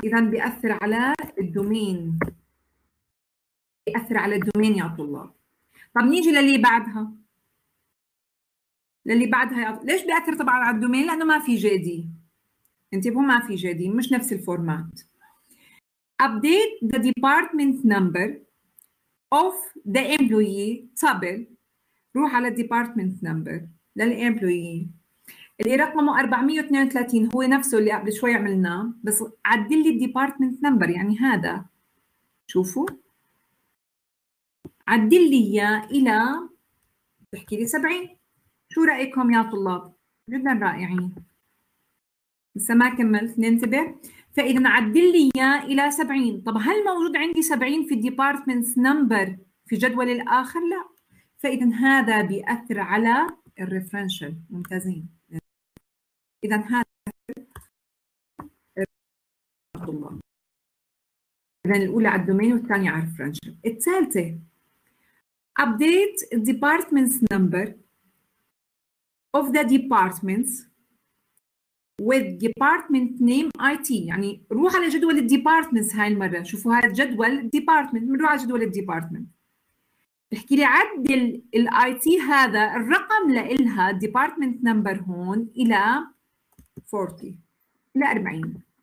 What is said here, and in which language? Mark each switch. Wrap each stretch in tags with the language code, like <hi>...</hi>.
<ar>إذن بيأثر على الدومين، بيأثر على الدومين يا طلاب. طب نيجي للي بعدها، للي بعدها ليش بيأثر طبعا على الدومين؟ لأنه ما في جادي، انتبهوا ما في جادي، مش نفس الفورمات.</ar> <en>Update the department number of the employee table.</en> <ar>روح على department number للemployee. اللي رقمه 432 هو نفسه اللي قبل شوي عملناه، بس عدل لي department number، يعني هذا شوفوا عدل لي إياه إلى تحكي لي 70. شو رأيكم يا طلاب؟ جدا رائعين، بس ما كملت ننتبه. فإذا عدل لي إياه إلى 70. طب هل موجود عندي 70 في department number في جدول الآخر؟ لا. فإذا هذا بيأثر على الريفرنشل، ممتازين. إذا هذا طبعا، إذا الأولى على الدومين والثانية على الريفرنشل. الثالثة</ar> <en>update department number of the departments with department name IT.</en> <ar>يعني روح على جدول الديبارتمنت هاي المرة، شوفوا هذا جدول الديبارتمنت، بنروح على جدول الديبارتمنت، بحكي لي عدل الـ IT هذا الرقم لإلها department number هون إلى 40، إلى 40.</ar>